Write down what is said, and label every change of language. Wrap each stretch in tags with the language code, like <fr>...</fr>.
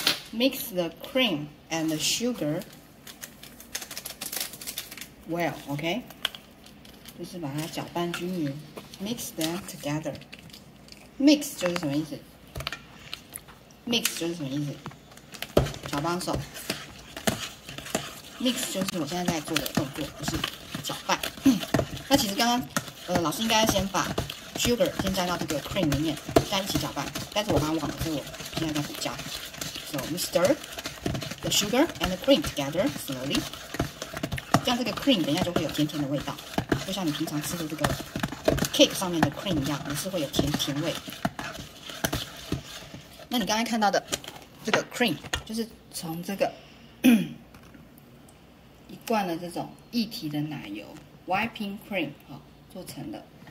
<en>Mix the cream and the sugar well, okay?</en> <zh>就是把它搅拌均匀 ，</zh> <en>mix them together.</en> <zh>Mix 就是什么意思 ？Mix 就是什么意思？搅拌手。 Mix 就是我现在在做的动作，就是搅拌。那其实刚刚，老师应该先把 sugar 先加到这个 cream 里面，加一起搅拌。但是我刚刚忘了，所以我现在在补加。</zh> <en>So we stir the sugar and the cream together slowly.</en> <zh>这样这个 cream 等一下就会有甜甜的味道，就像你平常吃的这个 cake 上面的 cream 一样，也是会有甜甜味。那你刚才看到的这个 cream 就是从这个一罐的这种液体的奶油 whipping cream 好做成的。</zh>